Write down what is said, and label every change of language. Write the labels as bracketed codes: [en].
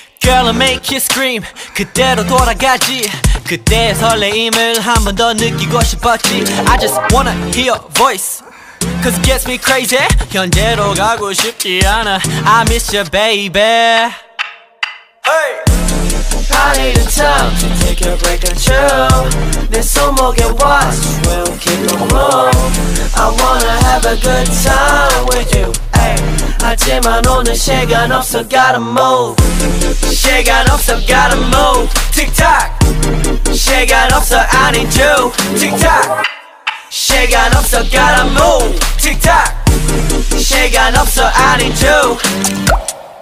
[en] Girl I'll make you scream [ko] 그대로 돌아가지 그때의 설레임을 한 번 더 느끼고 싶었지 [en] I just wanna hear your voice Cause it gets me crazy [ko] 현재로 가고 싶지 않아 [en] I miss you baby Hey! I need a time to take a break and chill [ko] 내 손목에 [en] watch, we'll keep on moving I wanna have a good time with you ay. [ko] 하지만 오늘 시간 없어 [en] gotta move [ko] 시간 없어 [en] gotta move Tik Tok 시간 없어 I need you Tik Tok 시간 없어 gotta move Tik Tok 시간 없어 I need you